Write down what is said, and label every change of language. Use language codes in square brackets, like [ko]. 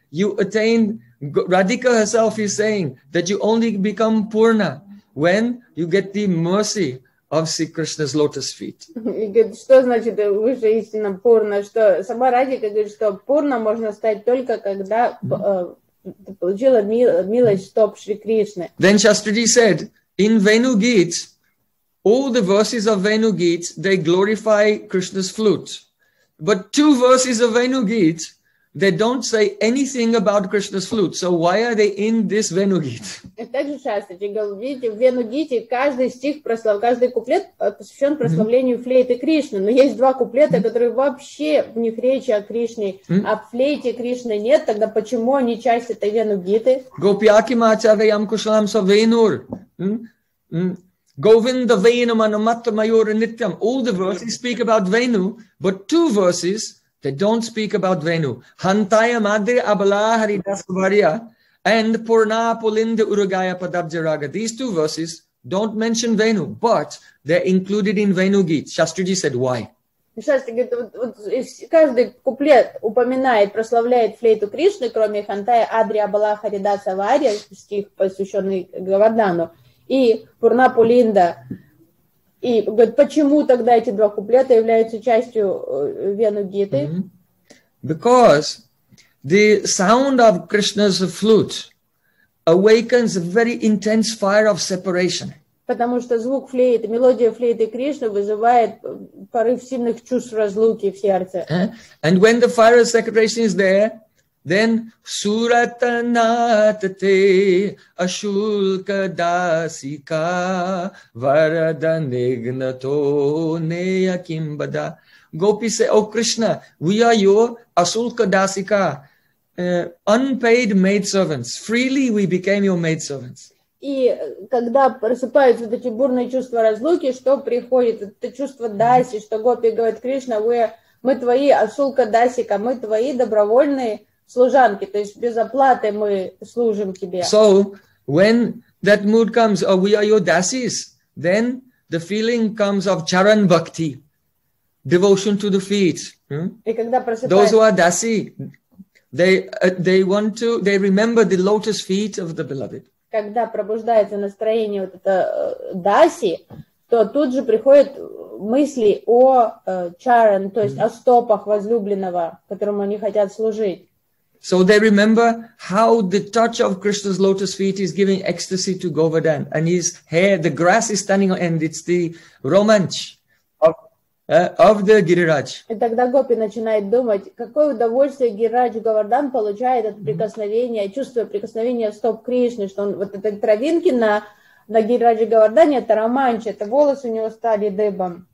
[en] You attain, Radhika herself is saying that you only become purna when you get the mercy of Sri Krishna's lotus feet. [ru] И говорит, что значит высшая истина пурна? Что сама Радика говорит, что пурна можно стать только когда получила милость стоп Шри Кришны. [en] Then Shastriji said, in Venu Git, all the verses of Venu Git, they glorify Krishna's flute. But two verses of Venu Git, they don't say anything about Krishna's flute. So why are they in this Venu Git? [ru] Также Шастриджи говорит, видите, в Venu Git каждый стих, каждый куплет посвящен прославлению флейты Кришны. Но есть два куплета, которые вообще в них речи о Кришне. А в флейте Кришны нет, тогда почему они часть этой Venu Git? [sa] Гопьяки мачавеям кушлам са Венур. Govinda Venu Manamata Mayura Nityam. [en] All the verses speak about Venu, but two verses, they don't speak about Venu. [sa] Hantaya Madri Abala Haridas Varya and Purna Pulinda Urugaya Padabjaraga. [en] These two verses don't mention Venu, but they're included in Venu Git. Shastriji said, why? [ru] Шастриджи говорит, каждый куплет упоминает, прославляет флейту Кришны, кроме Хантая Адри Абала Харидаса Варья, стих, посвященный Гавардану. И Пурна Пулинда. И говорит, почему тогда эти два куплета являются частью Вену Гиты? [en] Because the sound of Krishna's flute awakens a very intense fire of separation. [ru] Потому что звук флейты, мелодия флейты Кришны вызывает порыв сильных чувств разлуки в сердце. [en] And when the fire of separation is there, then [sa] suratanatate ashulka dasika varada nignato neyakimbada. [en] Gopis say, oh Krishna, we are your ashulka dasika, unpaid maidservants. Freely we became your maidservants. [ru] И когда просыпаются вот эти бурные чувства разлуки, что приходит? Это чувство даси, что гопи говорит, Кришна, мы твои асулка дасика, мы твои добровольные служанки, то есть без оплаты мы служим тебе. [en] So, when that mood comes, oh, we are your dasis, then the feeling comes of charan bhakti, devotion to the feet. [ru] И когда просыпаются... [en] Those who are dasi, they remember the lotus feet of the beloved. [ru] Когда пробуждается настроение вот это даси, то тут же приходят мысли о чаран, то есть о стопах возлюбленного, которому они хотят служить. [en] So they remember how the touch of Krishna's lotus feet is giving ecstasy to Govardhan, and his hair, the grass is standing on end, it's the romance of the Giriraj. [ru] И тогда гопи начинает думать, какое удовольствие Гирирадж Говардан получает от прикосновения, чувствуя прикосновения стоп Кришны, что он вот эти травинки на Гирирадже Говардане, это романч, это волосы у него стали дыбом.